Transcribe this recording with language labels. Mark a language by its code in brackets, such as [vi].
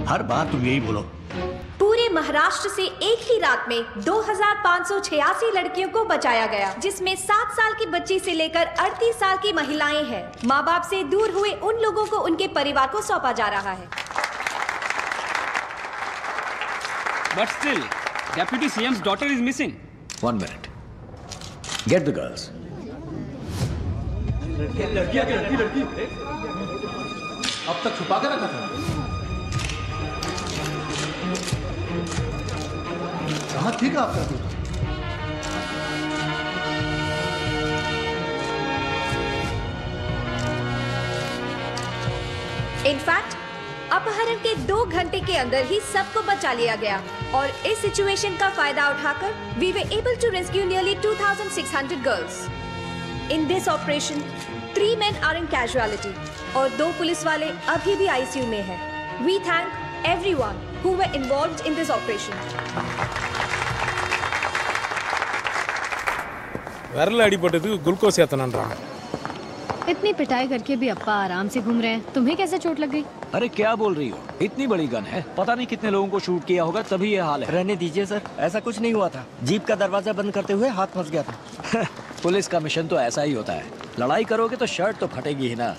[hi] हर बार तुम यही बोलो पूरे महाराष्ट्र से एक ही रात में 2586 लड़कियों को बचाया गया, जिसमें 7 साल की बच्ची से लेकर 38 साल की महिलाएं हैं। माँ बाप से दूर हुए उन लोगों को उनके परिवार को सौंपा जा रहा है। [en] But still, Deputy CM's daughter is missing. One minute. Get the girls. [hi] अब तक छुपा कर रखा था। कहाँ थी का आपका दूध? [en] In fact, [hi] अपहरण के 2 घंटे के अंदर ही सबको बचा लिया गया और इस सिचुएशन का फायदा उठाकर [en] We were able to rescue nearly 2600 girls. In this operation 3 men are in casualty [hi] और 2 पुलिस वाले अभी भी आईसीयू में हैं। [en] We thank everyone who were involved in this operation. [ta] वरल அடிபட்டது குளுக்கோஸ் ஏத்தனன்றாங்க। [hi] इतनी पिटाई करके भी अप्पा आराम से घूम रहे हैं, तुम्हें कैसे चोट लग गई? अरे क्या बोल रही हो, इतनी बड़ी गन है, पता नहीं कितने लोगों को शूट किया होगा तभी यह हाल है। रहने दीजिए सर, ऐसा कुछ नहीं हुआ था, जीप का दरवाजा बंद करते हुए हाथ फंस गया था। पुलिस का मिशन तो ऐसा ही होता है, लड़ाई करोगे तो शर्ट तो फटेगी ही ना।